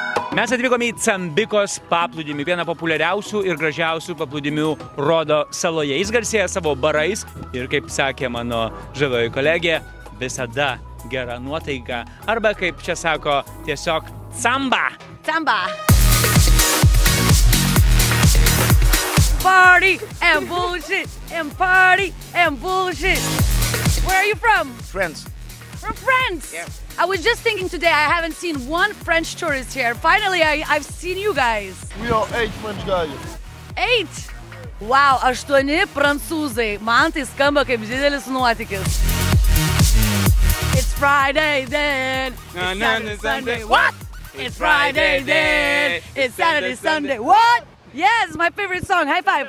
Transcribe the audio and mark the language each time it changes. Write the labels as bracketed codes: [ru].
[lt] Mes atvykome į Cambikos paplūdimį, vieną populiariausių ir gražiausių paplūdimių Rodo saloje. Jis garsėja savo barais ir, kaip sakė mano žavioji kolegė, visada gera nuotaika. Arba, kaip čia sako, tiesiog samba. Samba. [en] Party and bullshit, and party and bullshit. Where are you from? France. From France? Yeah. I was just thinking today, I haven't seen one French tourist here. Finally, I've seen you guys. We are 8 French guys. [lt] 8? Wow, 8 prancūzai. Man tai skamba kaip didelis nuotykis. [en] It's Friday then, it's Saturday, Sunday. What? It's Friday then, it's Saturday, Sunday. What? Yes, my favorite song. High five.